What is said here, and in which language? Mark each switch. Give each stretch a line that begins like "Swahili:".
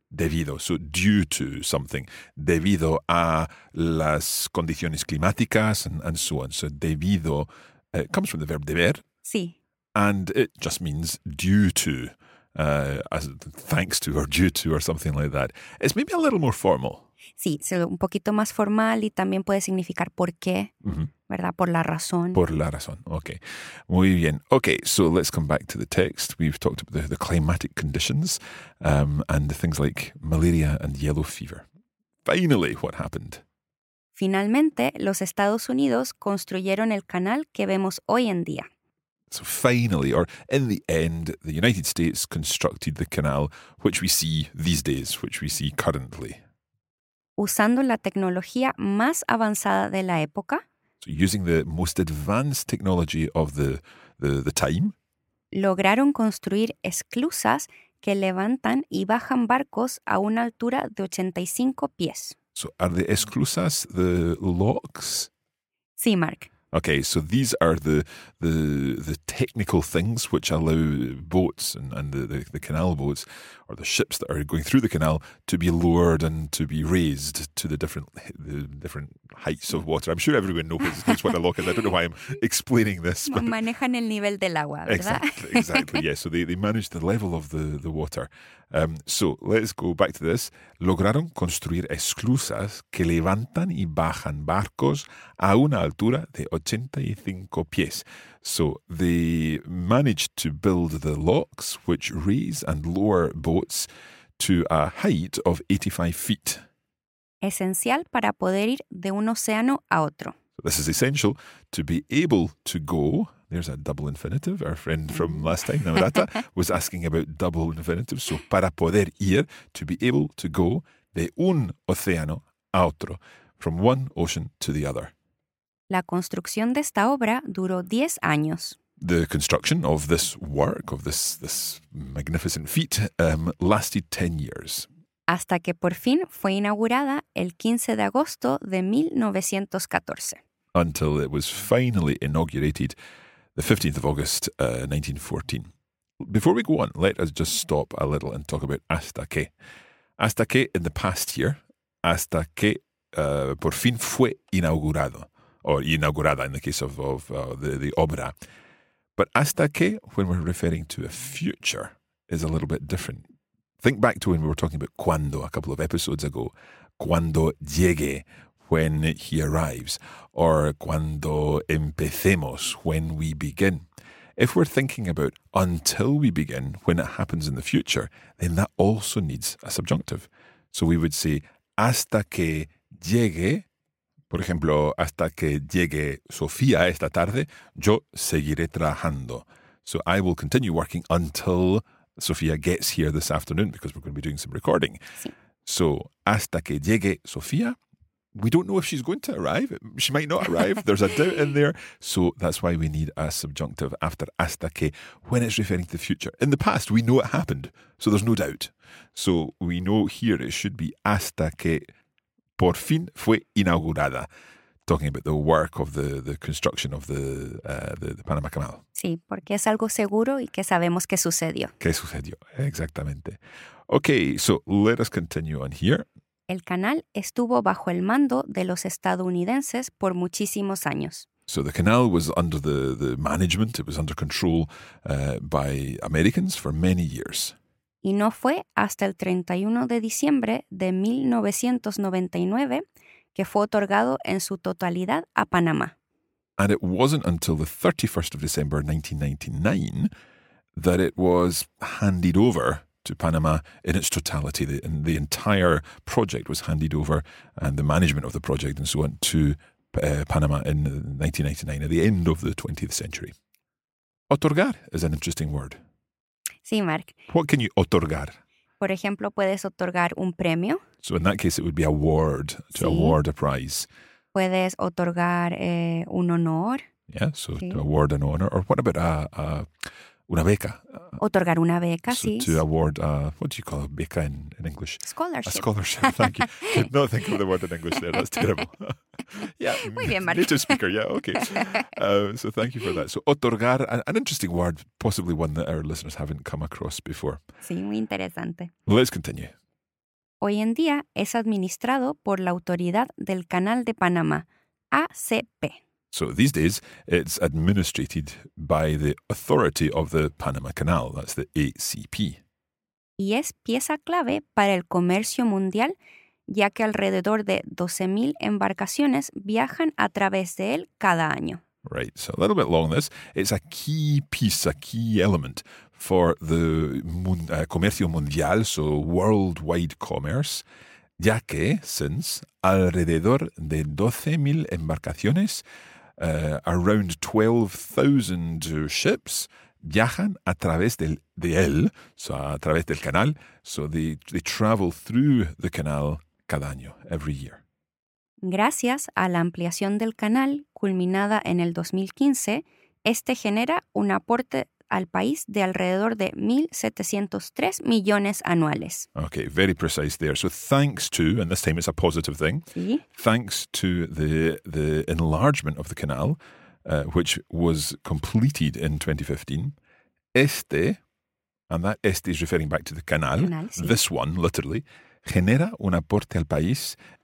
English: Debido, so due to something.
Spanish: Debido a las condiciones climáticas
English: and so on. So debido comes from the verb deber.
Spanish: Sí.
English: And it just means due to, as thanks to or due to or something like that. It's maybe a little more formal.
Spanish: Sí, un poquito más formal y también puede significar por qué, ¿verdad? Por la razón. Por la razón,
English: okay.
Spanish: Muy bien.
English: Okay, so let's come back to the text. We've talked about the climatic conditions and the things like malaria and yellow fever. Finally, what happened?
Spanish: Finalmente, los Estados Unidos construyeron el canal que vemos hoy en día.
English: So finally, or in the end, the United States constructed the canal which we see these days, which we see currently.
Spanish: Usando la tecnología más avanzada de la época.
English: So using the most advanced technology of the time.
Spanish: Lograron construir esclusas que levantan y bajan barcos a una altura de 85 pies.
English: So are the esclusas the locks?
Spanish: Sí, Mark.
English: Okay, so these are the technical things which allow boats and the canal boats or the ships that are going through the canal to be lowered and to be raised to the different heights of water. I'm sure everyone knows what a lock is. I don't know why I'm explaining this. But
Spanish: manejan el nivel del agua, ¿verdad?
English: Exactly. Yes. Yeah. So they manage the level of the water. So let's go back to this.
Spanish: Lograron construir esclusas que levantan y bajan barcos a una altura de 85 pies.
English: So they managed to build the locks which raise and lower boats to a height of 85 feet.
Spanish: Esencial para poder ir de un océano a otro.
English: So this is essential to be able to go. There's a double infinitive. Our friend from last time, Namrata, was asking about double infinitive. So
Spanish: para poder ir,
English: to be able to go
Spanish: de un océano a otro,
English: from one ocean to the other.
Spanish: La construcción de esta obra duró 10 años.
English: The construction of this work, of this magnificent feat, lasted 10 years.
Spanish: Hasta que por fin fue inaugurada el 15 de agosto de 1914.
English: Until it was finally inaugurated the 15th of August, 1914. Before we go on, let us just stop a little and talk about hasta que.
Spanish: Hasta que
English: in the past year,
Spanish: hasta que por fin fue inaugurado.
English: Or inaugurada in the case of the obra. But
Spanish: hasta que,
English: when we're referring to a future, is a little bit different. Think back to when we were talking about cuando a couple of episodes ago.
Spanish: Cuando llegue,
English: when he arrives. Or
Spanish: cuando empecemos,
English: when we begin. If we're thinking about until we begin, when it happens in the future, then that also needs a subjunctive. So we would say
Spanish: hasta que llegue. Por ejemplo, hasta que llegue Sofía esta tarde, yo seguiré trabajando.
English: So I will continue working until Sofía gets here this afternoon because we're going to be doing some recording.
Spanish: Sí.
English: So
Spanish: hasta que llegue Sofía,
English: we don't know if she's going to arrive. She might not arrive. There's a doubt in there. So that's why we need a subjunctive after hasta que when it's referring to the future. In the past, we know it happened. So there's no doubt. So we know here it should be
Spanish: hasta que por fin fue inaugurada,
English: talking about the work of the construction of the Panama Canal.
Spanish: Sí, porque es algo seguro y que sabemos que sucedió. Que sucedió, exactamente.
English: Okay, so let us continue on here.
Spanish: El canal estuvo bajo el mando de los estadounidenses por muchísimos años.
English: So the canal was under the management, it was under control by Americans for many years.
Spanish: Y no fue hasta el 31 de diciembre de 1999 que fue otorgado en su totalidad a Panamá.
English: And it wasn't until the 31st of December 1999 that it was handed over to Panama in its totality. The entire project was handed over and the management of the project and so on to Panama in 1999, at the end of the 20th century. Otorgar is an interesting word.
Spanish: Sí, Mark.
English: What can you otorgar?
Spanish: Por ejemplo, puedes otorgar un premio.
English: So in that case, it would be award, to sí. Award a prize.
Spanish: Puedes otorgar un honor.
English: Yeah, so sí. To award an honor. Or what about
Spanish: una beca? Otorgar una beca,
English: so
Spanish: sí.
English: To award, what do you call a beca in English? Scholarship. A scholarship, thank you. Did not think of the word in English there, that's terrible. Yeah,
Spanish: muy bien, Mark.
English: Native speaker, yeah, okay. So thank you for that. So otorgar, an interesting word, possibly one that our listeners haven't come across before.
Spanish: Sí, muy interesante.
English: Let's continue.
Spanish: Hoy en día es administrado por la Autoridad del Canal de Panamá, ACP.
English: So these days, it's administrated by the authority of the Panama Canal, that's the ACP.
Spanish: Y es pieza clave para el comercio mundial, ya que alrededor de 12,000 embarcaciones viajan a través de él cada año.
English: Right, so a little bit long this. It's a key piece, a key element for the
Spanish: comercio mundial,
English: so worldwide commerce.
Spanish: ya que,
English: since,
Spanish: alrededor de 12,000 embarcaciones,
English: around 12,000 ships,
Spanish: viajan a través del canal,
English: so they travel through the canal
Spanish: cada año,
English: every year.
Spanish: Gracias a la ampliación del canal, culminada en el 2015, este genera un aporte al país de alrededor de 1,703 millones anuales.
English: Okay, very precise there. So thanks to, and this time it's a positive thing, thanks to the enlargement of the canal, which was completed in 2015, este, and that este is referring back to the canal, this one, literally,
Spanish: genera un aporte al país.